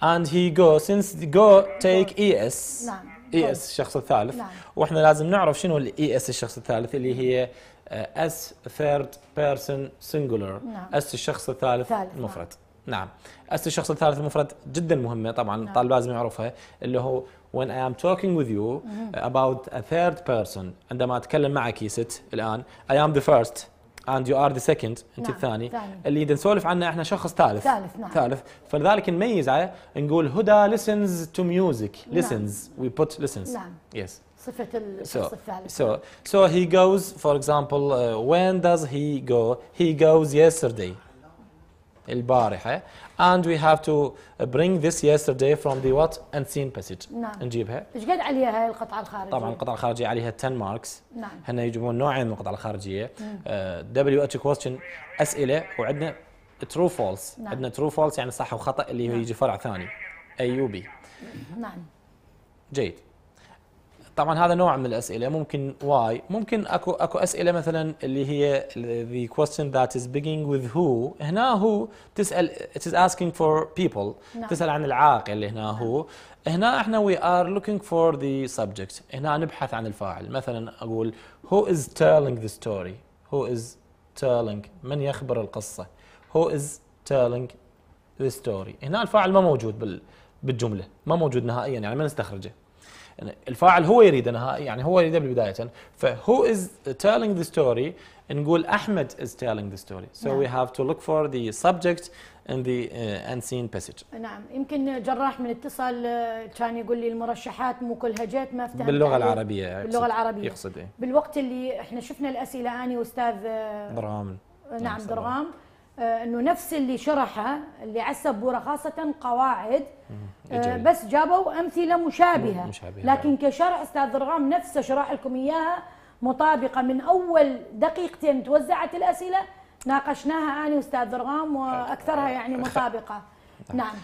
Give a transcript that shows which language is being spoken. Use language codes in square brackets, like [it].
[en] he go since the go take es ES [ar] الشخص الثالث واحنا لازم نعرف شنو الـ ES الشخص الثالث اللي هي [en] S third person singular S [ar] الشخص الثالث المفرد نعم S الشخص الثالث المفرد جدا مهمة طبعا الطالب لازم يعرفها اللي هو [en] when I am talking with you about a third person [ar] عندما أتكلم معك يا ست الآن [en] I am the first and you are the second. [ar] انت نعم. الثاني ثاني. اللي نسولف عنه احنا شخص ثالث ثالث نعم. ثالث فلذلك نميز على نقول هدى [en] listens to music listens [ar] نعم. [en] we put listens [ar] نعم [en] yes [ar] صفة الشخص [en] so, [ar] الثالث [en] so so he goes for example when does he go he goes yesterday [ar] البارحة [en] and we have to bring this yesterday from the what unseen passage [ar] نعم نجيبها ايش قد عليها هاي القطعة الخارجية طبعا القطعة الخارجية عليها 10 marks نعم هنا يجيبون نوعين من القطعة الخارجية WH question أسئلة وعندنا [en] true false [ar] نعم. عندنا [en] true false [ar] يعني صح وخطأ اللي هو نعم. يجي فرع ثاني A U B نعم جيد طبعا هذا نوع من الأسئلة ممكن why ممكن أكو أسئلة مثلا اللي هي [en] the question that is beginning with who [ar] هنا هو تسأل [en] it is asking for people [ar] نعم. تسأل عن العاقل اللي هنا نعم. هو هنا إحنا [en] we are looking for the subject [ar] هنا نبحث عن الفاعل مثلا أقول [en] who is telling the story [ar] who is telling من يخبر القصة who [en] is telling the story [ar] هنا الفاعل ما موجود بالجملة ما موجود نهائيا يعني ما نستخرجه الفاعل هو يريد نهائي يعني هو يريد بالبداية فهو is telling the story نقول أحمد is telling the story so [en] we have to look for the subject in the unseen passage [ar] نعم يمكن جراح من اتصال كان يقول لي المرشحات مو كلها جيت ما افتهمت باللغة العربية باللغة العربية يقصد ايه بالوقت اللي احنا شفنا الأسئلة آني واستاذ درغام نعم درغام انه نفس اللي شرحه اللي على السبوره خاصه قواعد بس جابوا امثله مشابهه لكن كشرح استاذ رغام نفسه شرح لكم اياها مطابقه من اول دقيقتين توزعت الاسئله ناقشناها انا واستاذ رغام واكثرها يعني مطابقه نعم